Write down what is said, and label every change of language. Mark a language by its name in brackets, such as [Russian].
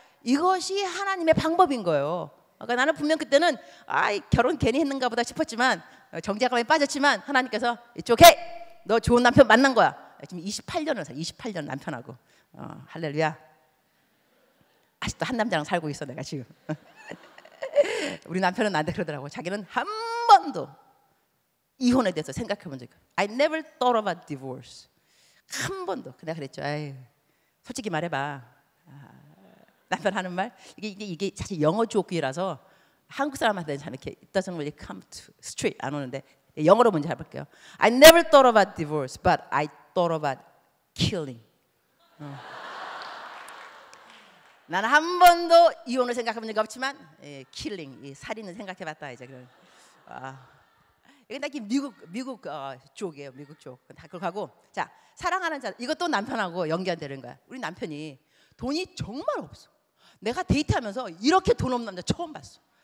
[Korean] 이것이 하나님의 방법인 거예요. 그러니까 나는 분명 그때는 아 결혼 괜히 했는가 보다 싶었지만 정제감에 빠졌지만 하나님께서 이쪽 해 너 좋은 남편 만난 거야. 지금 28년을 살아 28년 남편하고 할렐루야 아직도 한 남자랑 살고 있어 내가 지금. 우리 남편은 나한테 그러더라고. 자기는 한 번도 이혼에 대해서 생각해 본 적이 없어. [English] I never thought about divorce. [Korean] 한 번도. 내가 그랬죠. 아유, 솔직히 말해봐. 남편 하는 말. 이게 사실 영어 조기라서 한국 사람한테는 참 이렇게 [English] it doesn't really come to straight [Korean] 안 오는데 영어로 먼저 해볼게요. [English] I never thought about divorce, but I thought about killing. [Korean] 나는 한 번도 이혼을 생각해 본 적이 없지만 예, killing, 예, 살인을 생각해 봤다 이제 그런. 이건 딱히 미국 쪽이에요. 미국 쪽. 다 그렇게 하고 자 사랑하는 자 이것도 남편하고 연결되는 거야. 우리 남편이 돈이 정말 없어. 내가 데이트하면서 이렇게 돈 없는 남자 처음 봤어.